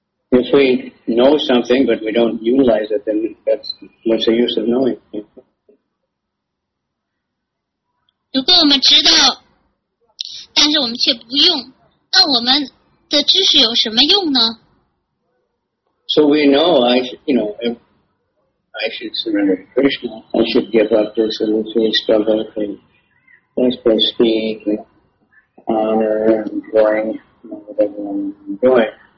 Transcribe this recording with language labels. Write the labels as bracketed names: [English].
[English] If we know something but we don't utilize it, then that's what's the use of knowing. [Chinese] 如果我们知道，但是我们却不用，那我们的知识有什么用呢？ [English] So we know, I should surrender to Krishna. I should give up this little three struggle thing. That's prestige, honor, and glory, you know, whatever I'm doing.